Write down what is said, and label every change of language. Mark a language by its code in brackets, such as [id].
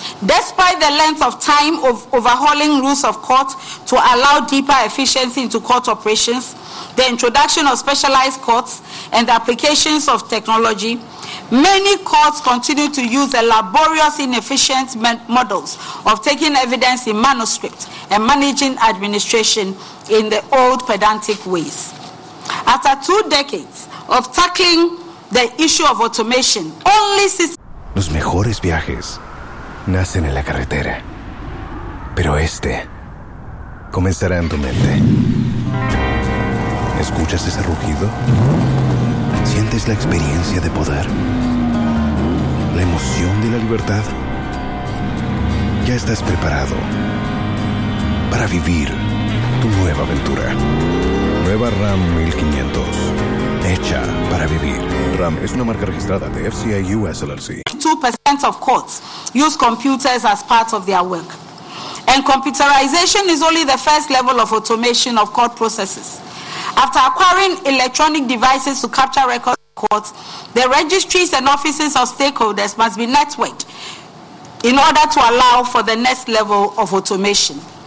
[en] Despite the length of time of overhauling rules of court to allow deeper efficiency into court operations, the introduction of specialized courts, and the applications of technology, many courts continue to use the laborious, inefficient models of taking evidence in manuscript and managing administration in the old pedantic ways. After two decades of tackling the issue of automation, only [es] Los mejores viajes nacen en la carretera, pero este comenzará en tu mente. ¿Escuchas ese rugido? ¿Sientes la experiencia de poder? ¿La emoción de la libertad? Ya estás preparado para vivir tu nueva aventura. Nueva Ram 1500. Hecha para vivir. Ram es una marca registrada de FCA US LLC. [en] 2% of courts use computers as part of their work. And computerization is only the first level of automation of court processes. After acquiring electronic devices to capture records in courts, the registries and offices of stakeholders must be networked in order to allow for the next level of automation.